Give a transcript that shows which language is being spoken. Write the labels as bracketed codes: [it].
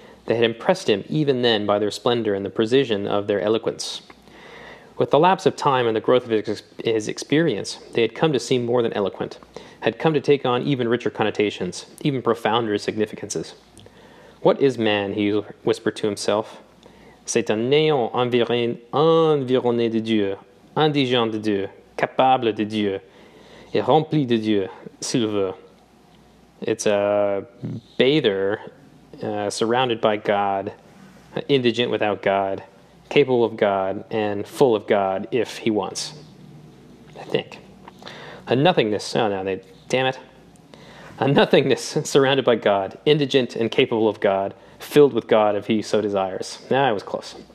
[en] They had impressed him even then by their splendor and the precision of their eloquence. With the lapse of time and the growth of his experience, they had come to seem more than eloquent, had come to take on even richer connotations, even profounder significances. What is man? He whispered to himself. [fr] C'est un néant environné de Dieu, indigent de Dieu, capable de Dieu, et rempli de Dieu, s'il veut. [en] It's a bather surrounded by God, indigent without God, capable of God, and full of God if he wants. I think. A nothingness surrounded by God, indigent and capable of God, filled with God if he so desires. I was close.